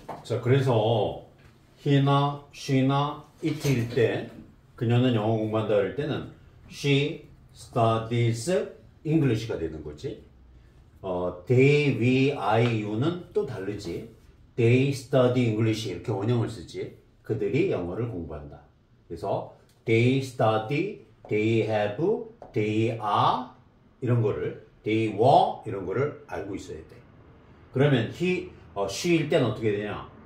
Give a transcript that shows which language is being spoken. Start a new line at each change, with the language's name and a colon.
Korean: 자, 그래서 he나 she나 it일 때 그녀는 영어 공부한다 할 때는
English: she studies English
Korean: 가 되는 거지. they, we, I, you는 또 다르지.
English: they study English
Korean: 이렇게 원형을 쓰지. 그들이 영어를 공부한다. 그래서 they study, they have, they are 이런 거를 they were 이런 거를 알고 있어야 돼. 그러면 he, she일 때는 어떻게 되냐?